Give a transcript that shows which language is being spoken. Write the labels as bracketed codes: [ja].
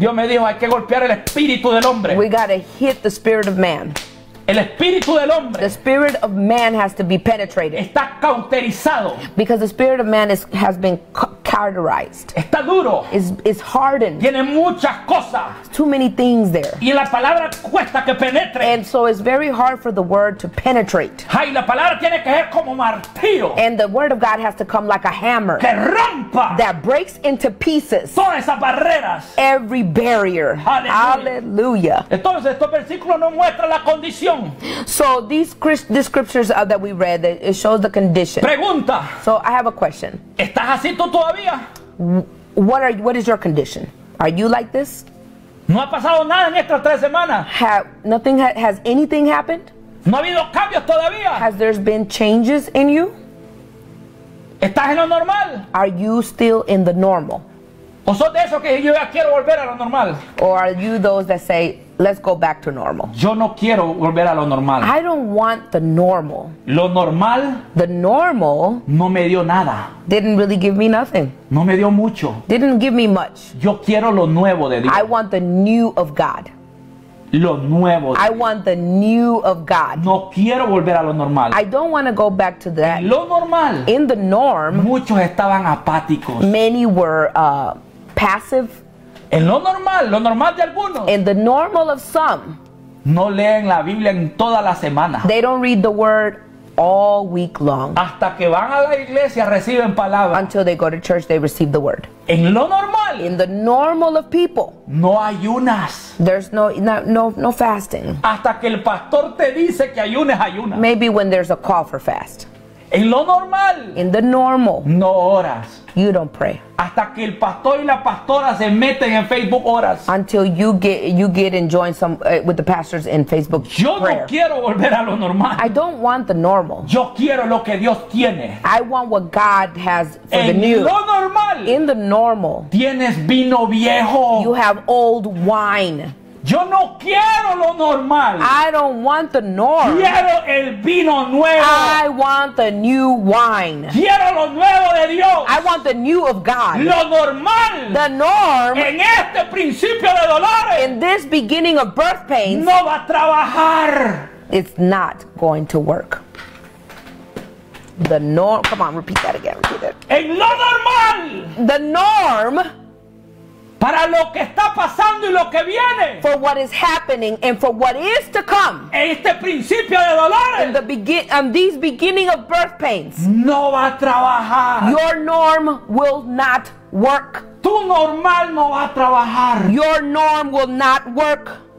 [es] Dios me dijo, hay que golpear el espíritu del hombre. [en] We gotta hit the spirit of man. [es] El espíritu del hombre. [en] The spirit of man has to be penetrated. [es] Está cauterizado. [en] Because the spirit of man has been cauterized. [es] Está duro. [en] It's hardened. [es] Tiene muchas cosas. [en] It's too many things there. [es] Y la palabra cuesta que penetre. [en] And so it's very hard for the word to penetrate. [es] Ay, la palabra tiene que ser como martillo. [en] And the word of God has to come like a hammer. [es] Que rompa. [en] That breaks into pieces. [es] Todas esas barreras. [en] Every barrier. [es] Hallelujah. Entonces estos versículos no muestran la condición. [en] So these scriptures that we read, that it shows the condition. [es] Pregunta. [en] So I have a question. [es] ¿Estás así tú todavía? [en] What is your condition? Are you like this? [es] No ha pasado nada en estas tres semanas. [en] Has anything happened? [es] No ha habido cambios todavía. [en] Has there been changes in you? [es] ¿Estás en lo normal? [en] Are you still in the normal? [es] ¿O sos de esos que yo ya quiero volver a lo normal? [en] Or are you those that say, let's go back to normal? [es] Yo no quiero volver a lo normal. [en] I don't want the normal. [es] Lo normal. [en] The normal. [es] No me dio nada. [en] Didn't really give me nothing. [es] No me dio mucho. [en] Didn't give me much. [es] Yo quiero lo nuevo de Dios. [en] I want the new of God. [es] Lo nuevo de [en] Dios. I want the new of God. [es] No quiero volver a lo normal. [en] I don't want to go back to that. [es] Lo normal. [en] In the norm. [es] Muchos estaban apáticos. [en] Many were passive. [es] En lo normal de algunos. [en] In the normal of some. [es] No leen la Biblia en toda la semana. [en] They don't read the word all week long. [es] Hasta que van a la iglesia reciben palabra. [en] Until they go to church, they receive the word. [es] En lo normal. [en] In the normal of people. [es] No ayunas. [en] There's no fasting. [es] Hasta que el pastor te dice que ayunes, ayunas. [en] Maybe when there's a call for fast. [es] En lo normal. [en] In the normal. [es] No oras. [en] You don't pray. [es] Hasta que el pastor y la pastora se meten en Facebook oras. [en] Until you get and join some with the pastors in Facebook. [es] Yo [en] prayer. [es] No quiero volver a lo normal. [en] I don't want the normal. [es] Yo quiero lo que Dios tiene. [en] I want what God has for [es] en [en] the new. [es] En lo normal. [en] In the normal. [es] Tienes vino viejo. [en] You have old wine. [es] Yo no quiero lo normal. [en] I don't want the norm. [es] Quiero el vino nuevo. [en] I want the new wine. [es] Quiero lo nuevo de Dios. [en] I want the new of God. [es] Lo normal. [en] The norm. [es] En este principio de dolores. [en] In this beginning of birth pains. [es] No va a trabajar. [en] It's not going to work. The norm. Come on, repeat that again. Repeat it. [es] En lo normal. [en] The norm. [es] Para lo que está pasando y lo que viene. [en] For what is happening and for what is to come. [es] Este principio de dolores. [en] These beginning of birth pains. [es] No va a trabajar. [en] Your norm will not work. [es] Tu normal no va a trabajar. [en] Your norm will not work.